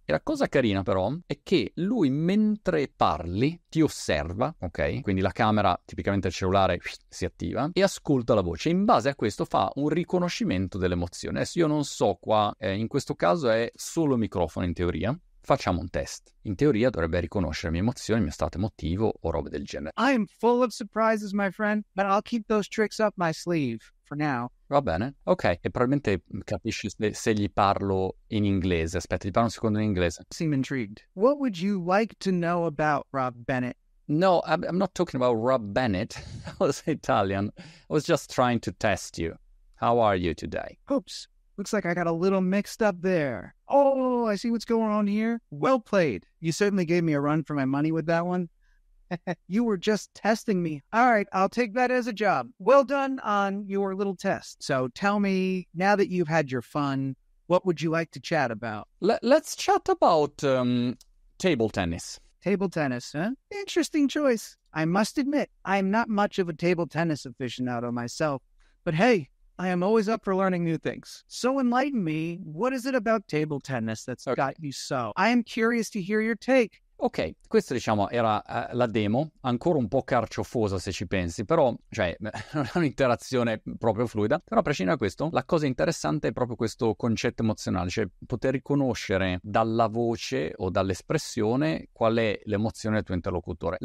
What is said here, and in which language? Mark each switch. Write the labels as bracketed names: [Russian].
[Italian] E la cosa carina, però, è che lui, mentre parli, ti osserva, ok? Quindi la camera, tipicamente il cellulare, si attiva e ascolta la voce. In base a questo fa un riconoscimento dell'emozione. Adesso io non so qua, in questo caso è solo microfono in teoria. Facciamo un test. In teoria dovrebbe riconoscere le mie emozioni, il mio stato emotivo o robe del genere. [English] I am full of surprises, my friend, but I'll keep those tricks up my sleeve. [Italian] Va bene, ok, e probabilmente capisci se gli parlo in inglese. Aspetta, gli parlo un secondo in inglese. [English] Seem intrigued. What would you like to know about Rob Bennett? No, I'm not talking about Rob Bennett. That was Italian. I was just trying to test you. How are you today? Oops, looks like I got a little mixed up there. Oh, I see what's going on here. Well played. You certainly gave me a run for my money with that one. You were just testing me. All right, I'll take that as a job. Well done on your little test. So tell me, now that you've had your fun, what would you like to chat about? Let's chat about table tennis. Table tennis, huh? Interesting choice. I must admit, I'm not much of a table tennis aficionado myself. But hey, I am always up for learning new things. So enlighten me, what is it about table tennis that's okay. Got you so? I am curious to hear your take. [Italian] Ok, questa diciamo era la demo, ancora un po' carciofosa se ci pensi, però cioè non è un'interazione proprio fluida, però a prescindere da questo, la cosa interessante è proprio questo concetto emozionale, cioè poter riconoscere dalla voce o dall'espressione qual è l'emozione del tuo interlocutore.